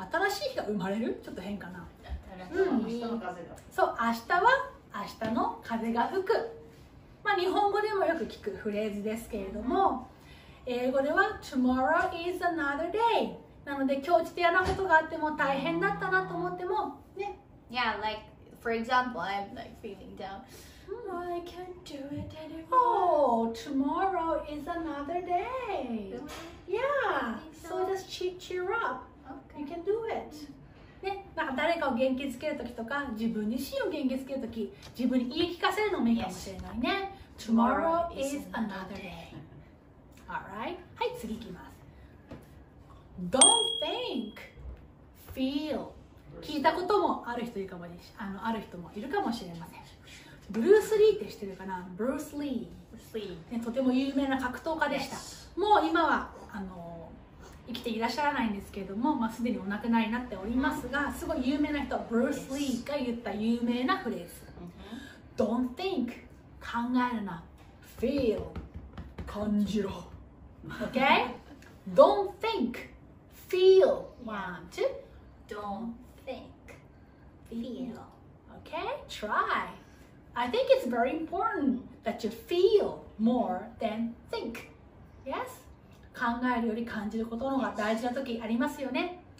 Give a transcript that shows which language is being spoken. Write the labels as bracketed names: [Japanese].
[Japanese] 新しい日が生まれる?ちょっと変かな、うん、明日の風が吹くそう、明日は明日の風が吹く、まあ、日本語でもよく聞くフレーズですけれども、うん、英語では [English] Tomorrow is another day [Japanese] なので今日ちょっと嫌なことがあっても大変だったなと思ってもね。 [English] Yeah, like for example, I'm like feeling down. I can't do it anymore. Oh, tomorrow is another day. Yeah, so just cheer up. You can do it. [Japanese] ね、なんか誰かを元気づけるときとか自分自身を元気づけるとき自分に言い聞かせるのもいいかもしれないね。 [English] Tomorrow is another day. All right. [Japanese] はい、次いきます。 [English] Don't think, feel. [Japanese] 聞いたこともある人いるかもしれない。ある人もいるかもしれません。ブルース・リーって知ってるかな?ブルース・リー、ね。とても有名な格闘家でした。 [English] Yes. [Japanese] もう今は生きていらっしゃらないんですけれども、まあ、すでにお亡くなりになっておりますが、すごい有名な人、ブルース・リーが言った有名なフレーズ。 [English] Don't think, [Japanese] 考えるな。 [English] Feel, [Japanese] 感じろ。 [English] OK? Don't think. Feel. One, two. Don't think. Feel. Okay, try. I think it's very important that you feel more than think. Yes? [Japanese] 考えるより感じることの方が大事な時ありますよね。